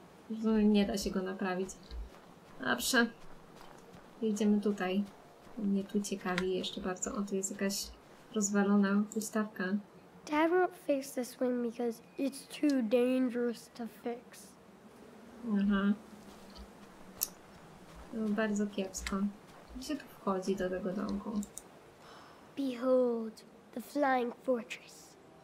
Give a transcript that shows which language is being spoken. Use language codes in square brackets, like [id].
[pl] No, nie da się go naprawić. Dobrze. Jedziemy tutaj. Mnie tu ciekawi jeszcze bardzo. O, tu jest jakaś rozwalona ustawka. [en] Dad won't fix this one because it's too dangerous to fix. [pl] Aha. No, bardzo kiepsko. Gdzie się tu wchodzi do tego domku? [en] Behold, the flying fortress.